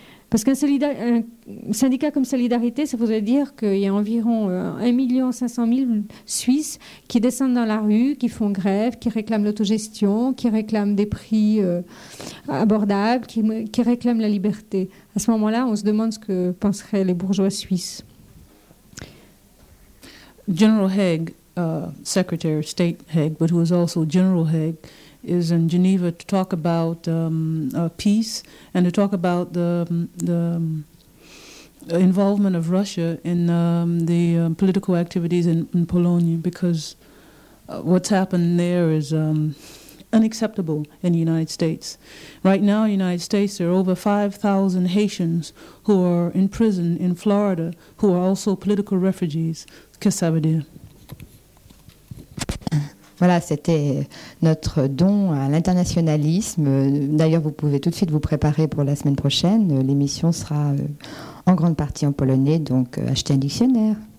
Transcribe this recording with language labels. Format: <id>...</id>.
<fr>Parce qu'un un syndicat comme Solidarité, ça voudrait dire qu'il y a environ 1 500 000 Suisses qui descendent dans la rue, qui font grève, qui réclament l'autogestion, qui réclament des prix abordables, qui réclament la liberté. À ce moment-là, on se demande ce que penseraient les bourgeois suisses.</fr> <en>General Haig, Secretary of State Haig, but who is also General Haig, is in Geneva to talk about peace and to talk about the involvement of Russia in the political activities in Pologne, because what's happened there is unacceptable in the United States. Right now in the United States, there are over 5,000 Haitians who are in prison in Florida who are also political refugees.</en> <fr>Qu'est-ce que ça veut dire? Voilà, c'était notre don à l'internationalisme. D'ailleurs, vous pouvez tout de suite vous préparer pour la semaine prochaine. L'émission sera en grande partie en polonais, donc achetez un dictionnaire.</fr>